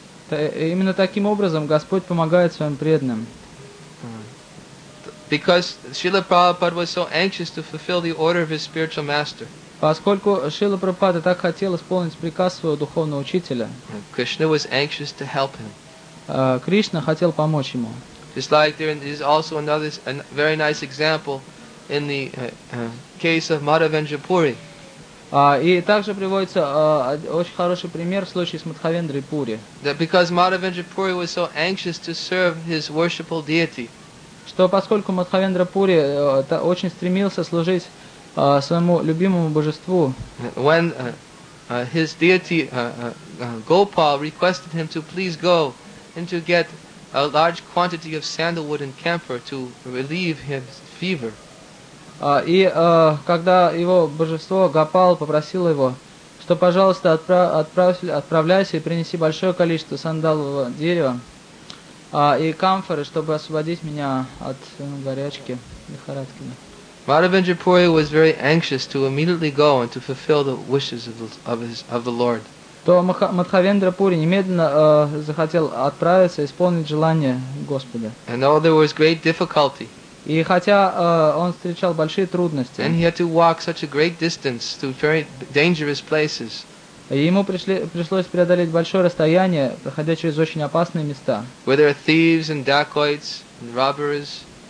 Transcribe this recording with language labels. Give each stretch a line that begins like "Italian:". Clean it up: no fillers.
Russian: Именно таким образом Господь помогает своим преданным.
English: Because Srila Prabhupada was so anxious to fulfill the order of his spiritual master.
Russian: Поскольку Шрила Прабхупада так хотел исполнить приказ своего духовного учителя.
English: Krishna was anxious to help him.
Russian: Кришна хотел помочь ему.
English: Just like there is also another very nice example in the case of Madhavendra Puri.
Russian: И также приводится очень хороший пример в случае с Мадхавендрой Пури.
English: That because Madhavendra Puri was so anxious to serve his worshipful deity.
Russian: Что поскольку Мадхавендра Пури очень стремился служить своему любимому божеству.
English: When his deity Gopal requested him to please go and to get a large quantity of sandalwood and camphor to relieve his fever.
Russian: И когда его божество Гопал попросил его, что пожалуйста отправляйся и принеси большое количество сандалового дерева и камфоры, чтобы освободить меня от горячки и лихорадки.
English: Madhavendra Puri was very anxious to immediately go and to fulfill the wishes of the Lord.
Russian: То Мадхавендра Пури немедленно захотел отправиться исполнить желание Господа.
English: And though there was great difficulty.
Russian: И хотя он встречал большие трудности.
English: And he had to walk such a great distance to very dangerous places.
Russian: Ему пришлось преодолеть большое расстояние, проходя через очень опасные места.
English: Where there are thieves and dacoits and robbers.